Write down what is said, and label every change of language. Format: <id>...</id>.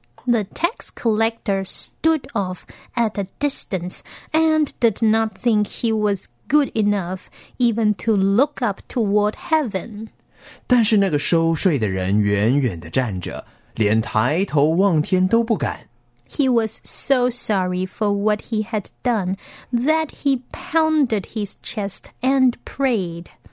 <en>The tax collector stood off at a distance and did not think he was good enough even to look up toward heaven.</en> <zh>但是那个收税的人远远地站着，连抬头望天都不敢。</zh> <en>He was so sorry for what he had done that he pounded his chest and prayed.</en>